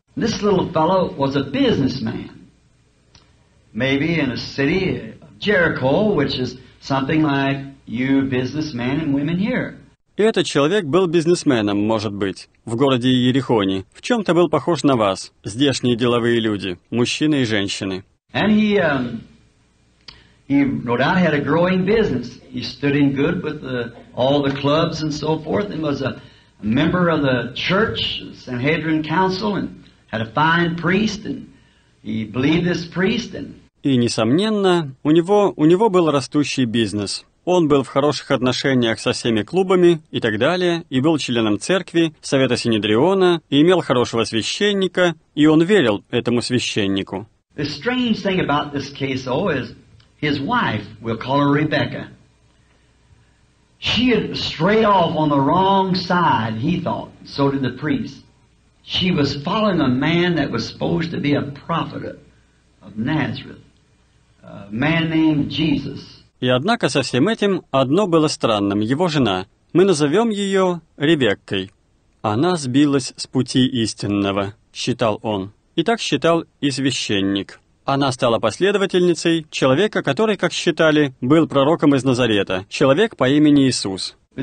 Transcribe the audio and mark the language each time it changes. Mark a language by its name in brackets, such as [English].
[English] This little fellow was a businessman. Maybe in a city of Jericho, which is something like you businessmen and women here. [Russian] И этот человек был бизнесменом, может быть, в городе Иерихоне. В чем-то был похож на вас, здешние деловые люди, мужчины и женщины. [English] And he no doubt had a growing business. He stood in good with all the clubs and so forth, and was a member of the church, Sanhedrin Council, and had a fine priest, and he believed this priest. [Russian] И, несомненно, у него был растущий бизнес. Он был в хороших отношениях со всеми клубами и так далее, и был членом церкви, совета Синедриона, и имел хорошего священника, и он верил этому священнику. [English] The strange thing about this case, though, is his wife, we'll call her Rebecca. She had strayed off on the wrong side, he thought, so did the priest. She was following a man that was supposed to be a prophet of Nazareth, a man named Jesus. [Russian] И однако со всем этим одно было странным. Его жена, мы назовем ее Ребеккой, она сбилась с пути истинного, считал он. И так считал и священник. Она стала последовательницей человека, который, как считали, был пророком из Назарета, человек по имени Иисус.